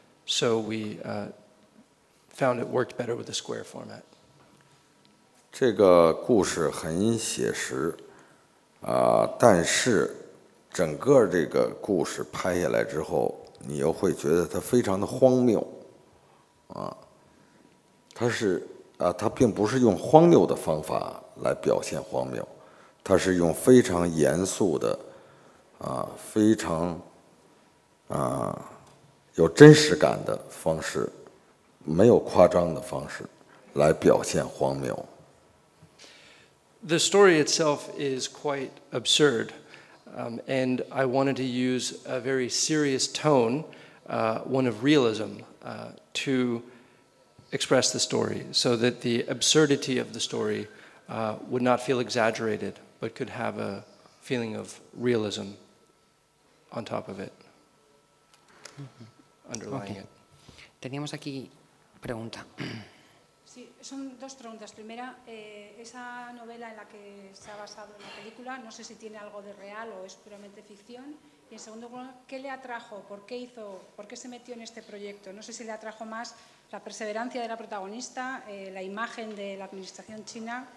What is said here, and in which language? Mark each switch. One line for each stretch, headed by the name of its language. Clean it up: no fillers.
English: So we found it worked better with the square format.
Chinese: 这个故事很写实，但是整个这个故事拍下来之后，你又会觉得它非常的荒谬，它并不是用荒谬的方法来表现荒谬，它是用非常严肃的，非常有真实感的方式，没有夸张的方式来表现荒谬。
English: The story itself is quite absurd. And I wanted to use a very serious tone, one of realism, to express the story so that the absurdity of the story would not feel exaggerated but could have a feeling of realism on top of it, underlying it.
Spanish: Teníamos aquí pregunta. Sí, son dos preguntas. Primera, esa novela en la que se ha basado en la película, no sé si tiene algo de real o es puramente ficción. Y en segundo lugar, ¿qué le atrajo? ¿Por qué hizo? ¿Por qué se metió en este proyecto? No sé si le atrajo más la perseverancia de la protagonista, la imagen de la administración china.